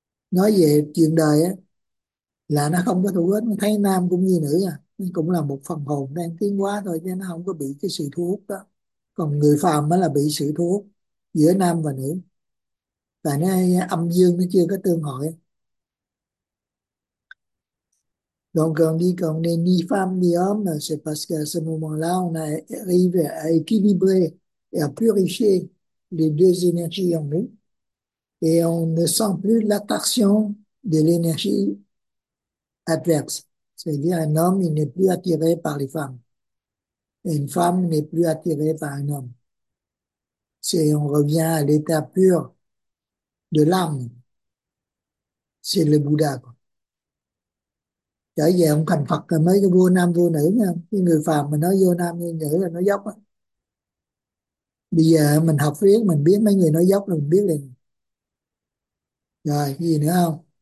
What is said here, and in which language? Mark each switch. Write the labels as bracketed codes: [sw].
[vi] Nói về chuyện đời á, là nó không có thu hút, nó thấy nam cũng như nữ à, nó cũng là một phần hồn đang tiến hóa thôi, chứ nó không có bị cái sự thu hút đó. Còn người phàm mới là bị sự thu hút giữa nam và nữ, tại nó âm dương nó chưa có tương hội. [fr] Donc on dit qu'on n'est ni femme ni homme, c'est parce qu'à ce moment-là, on arrive à équilibrer et à purifier les deux énergies en nous. Et on ne sent plus l'attraction de l'énergie adverse. C'est-à-dire un homme, il n'est plus attiré par les femmes. Et une femme n'est plus attirée par un homme. C'est, on revient à l'état pur de l'âme. C'est le Bouddha, quoi. [vi] Trở về ông thành Phật là mấy cái vua nam vua nữ nha, cái người phàm mà nói vua nam vua nữ là nó dốc á. Bây giờ mình học viết mình biết mấy người nói dốc là mình biết liền rồi. Gì nữa không?